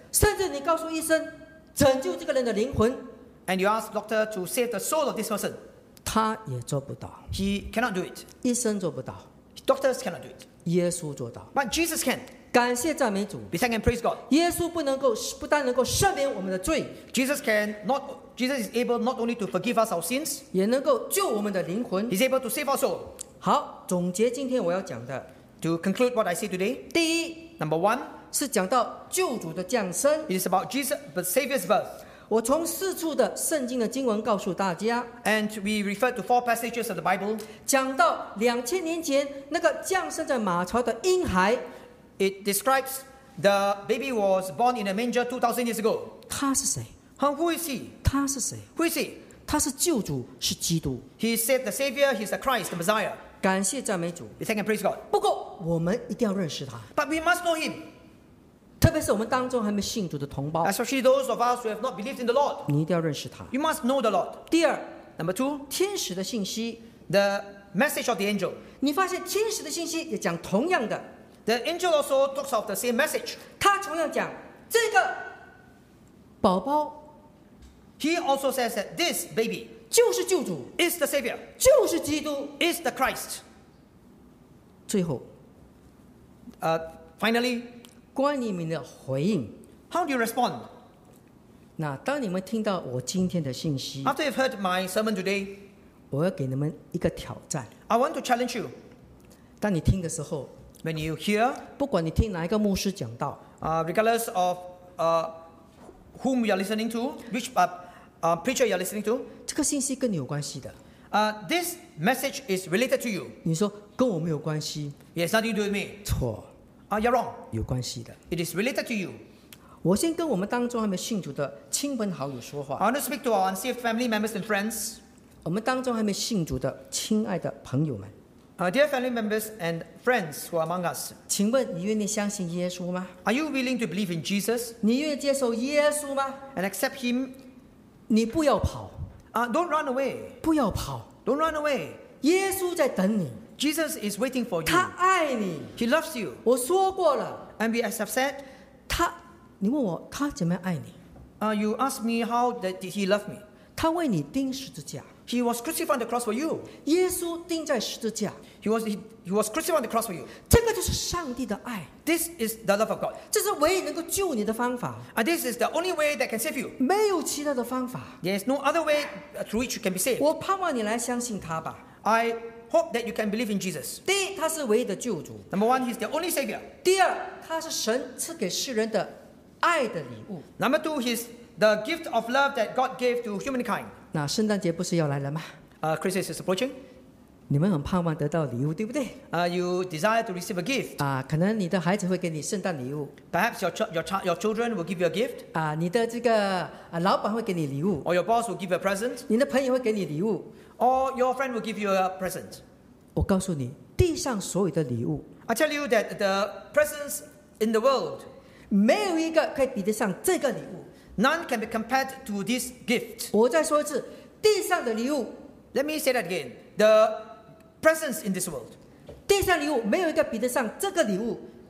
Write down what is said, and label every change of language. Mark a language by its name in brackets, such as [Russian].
[Chinese] 甚至你告诉医生，拯救这个人的灵魂 [English] ，and you ask doctor to save the soul of this person, [Chinese] 他也做不到。 [English] He cannot do it. [Chinese] 医生做不到。 [English] Doctors cannot do it. [Chinese] 耶稣做到。 [English] But Jesus can. [Chinese] 感谢赞美主。 [English] We thank and praise God. [Chinese] 耶稣不能够不但能够赦免我们的罪 [English] ，Jesus can not. Jesus is able not only to forgive us our sins, [Chinese] 也能够救我们的灵魂。 [English] He's able to save our soul. [Chinese] 好，总结今天我要讲的。 [English] To conclude what I say today. [Chinese] 第一 [English] ，Number one [Chinese] 是讲到救主的降生。 [English] It is about Jesus, the Savior's birth. [Chinese] 我从四处的圣经的经文告诉大家。 [English] And we refer to four passages of the Bible. [Chinese] 讲到两千年前那个降生在马槽的婴孩。 [English] It describes the baby was born in a manger 2,000 years ago. [Chinese] 他是谁 [English] ？Who is he? [Chinese] 他是谁 [English] ？Who is he? [Chinese] 他是救主，是基督。 [English] He said the Savior, he's the Christ, the Messiah. [Chinese] 感谢赞美主。 [English] We thank and praise God. [Chinese] 不过我们一定要认识他。 [English] But we must know him. [Chinese] 特别是我们当中还没信主的同胞。 [English] Especially those of us who have not believed in the Lord. [Chinese] 你一定要认识他。 [English] You must know the Lord. [Chinese] 第二 [English] ，Number two， [Chinese] 天使的信息。 [English] The message of the angel. [Chinese] 你发现天使的信息也讲同样的。 [English] The angel also talks of the same message. [Chinese] 他同样讲这个宝宝。 [English] He also says that this baby [Chinese] 就是救主 [English] is the savior [Chinese] 就是基督 [English] is the Christ. [Chinese] 最后 [English] finally, [Chinese] 关于你们的回应 [English] how do you respond? [Chinese] 那当你们听到我今天的信息 [English] after you've heard my sermon today, [Chinese] 我要给你们一个挑战 [English] I want to challenge you. [Chinese] 当你听的时候 [English] When you hear, [Chinese] 不管你听哪一个牧师讲道 [English] regardless of whom you are listening to, which preacher you are listening to, [Chinese] 这个信息跟你有关系的。 [English] This message is related to you. [Chinese] 你说跟我没有关系 [English] ？Yes, nothing to do with me. [Chinese] 错。 [English] You're wrong. [Chinese] 有关系的。 [English] It is related to you. [Chinese] 我先跟我们当中还没信主的亲朋好友说话。 [English] I want to speak to our unsaved family members and friends. [Chinese] 我们当中还没信主的亲爱的朋友们。 [English] Dear family members and friends who are among us, [Chinese] 请问你愿意相信耶稣吗 [English] ？Are you willing to believe in Jesus? [Chinese] 你愿意接受耶稣吗 [English] ？And accept him [Chinese] 你不要跑。 [English] Don't run away. [Chinese] 不要跑。 [English] Don't run away. [Chinese] 耶稣在等你。 [English] Jesus is waiting for you. [Chinese] 他爱你。 [English] He loves you. [Chinese] 我说过了。 [English] And we have said, [Chinese] 他，你问我他怎么爱你？ [English] You ask me how did he love me? [Chinese] 他为你钉十字架。 [English] He was crucified on the cross for you. [Chinese] 耶稣钉在十字架。 [English] He was crucified on the cross for you. [Chinese] 这个就是上帝的爱。 [English] This is the love of God. [Chinese] 这是唯一能够救你的方法。 [English] This is the only way that can save you. [Chinese] 没有其他的方法。 [English] There is no other way through which you can be saved. [Chinese] 我盼望你来相信他吧。 [English] I hope that you can believe in Jesus. [Chinese] 第一，他是唯一的救主。 [English] Number one, he's the only savior. [Chinese] 第二，他是神赐给世人的爱的礼物。 [English] Number two, he's the gift of love that God gave to humankind. [Chinese] 那圣诞节不是要来了吗？ [English] Christmas is approaching. [Chinese] 你们很盼望得到礼物，对不对？ [English] You desire to receive a gift. [Chinese] 可能你的孩子会给你圣诞礼物。 [English] Perhaps your children will give you a gift. [Chinese] 你的这个老板会给你礼物。 [English] Or your boss will give you a present. [Chinese] 你的朋友会给你礼物。 [English] Or your friend will give you a present. [Chinese] 我告诉你，地上所有的礼物。 [English] I tell you that the presents in the world, [Chinese] 没有一个可以比得上这个礼物。 [English] None can be compared to this gift. [Chinese] 我再说一次，地上的礼物。 [English] Let me say that again. The presence in this world. [Chinese] 地上礼物没有一个比得上这个礼物。